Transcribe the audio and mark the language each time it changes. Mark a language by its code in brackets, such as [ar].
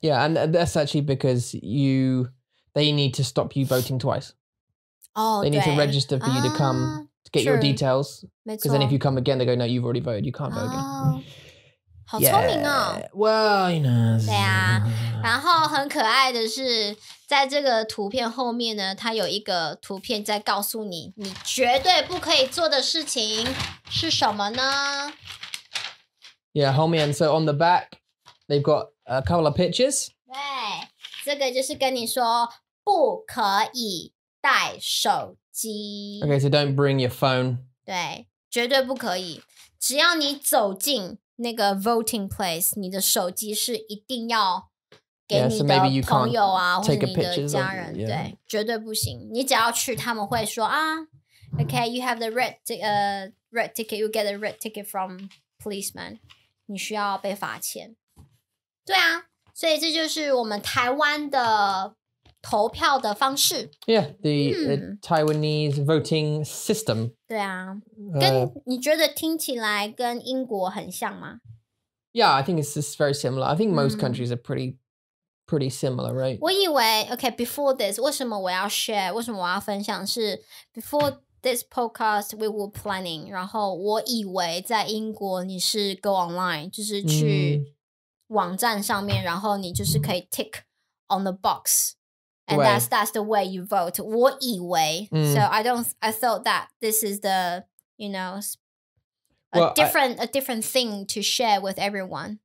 [en] Yeah, and that's actually because they need to stop you voting twice. Oh, they need to register for you to come to get your details. Because then if you come again, they go, no, you've already voted, you can't vote again. [zh] 好聪明哦。 [en] Well, you know. [zh] 对啊。然后很可爱的是在这个图片后面呢它有一个图片在告诉你你绝对不可以做的事情是什么呢 [en] Yeah, homie. And so on the back, they've got a couple of pictures. [zh] 对，这个就是跟你说不可以带手机。 [en] Okay, so don't bring your phone. [zh] 对，绝对不可以。只要你走进那个 [en] voting place, [zh] 你的手机是一定要给你的朋友啊，或者你的家人。对，绝对不行。你只要去，他们会说啊 ， [en] Okay, you have the red ticket. You get a red ticket from. Policeman, [zh] 你需要被罚钱。对啊，所以这就是我们台湾的投票的方式。 [en] Yeah, the, the Taiwanese voting system. [zh] 对啊，你觉得听起来跟英国很像吗？ [en] Yeah, I think it's just very similar. I think most countries are pretty similar, right? [zh] 我以为 [en] okay, before this, [zh] 为什么我要 [en] share, [zh] 为什么我要分享是 [en] beforethis podcast we were planning [zh] 然后我以为在英国你是 [en] go online [zh] 就是去网站上面然后你就是可以 [en] tick on the box and that's the way you vote 我以为 so I thought that this is the you know a different thing to share with everyone